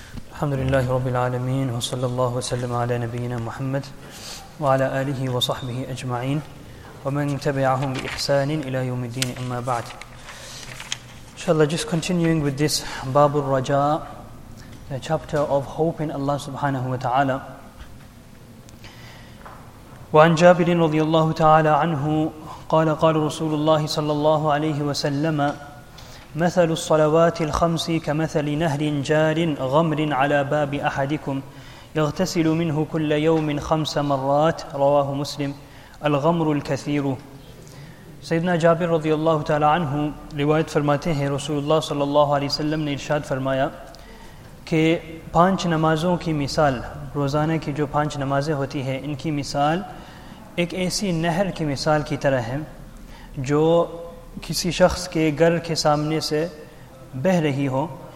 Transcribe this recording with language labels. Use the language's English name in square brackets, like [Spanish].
[Arabic] الحمد لله رب العالمين، وصلى الله وسلم على نبينا محمد وعلى آله وصحبه أجمعين ومن تبعهم بإحسان إلى يوم الدين، أما بعد. [English] InshaAllah, just continuing with this Bab al-Raja, the chapter of hope in Allah subhanahu wa ta'ala. [Arabic] وعن جابر رضي الله تعالى عنه قال قال رسول الله صلى الله عليه وسلم مثل الصلوات الخمس كمثل نهر جار غمر على باب أحدكم يغتسل منه كل يوم خمس مرات رواه مسلم الغمر الكثير. [Urdu] سيدنا جابر رضي الله تعالى عنه روایت فرماتے ہیں رسول اللہ صلی اللہ علیہ وسلم نے ارشاد فرمایا کہ پانچ نمازوں کی مثال، روزانہ کی جو پانچ نمازیں ہوتی ہیں ان کی مثال ایک ایسی نہر کی مثال کی طرح ہے جو کسی شخص کے گھر کے سامنے سے بہ رہی ہو.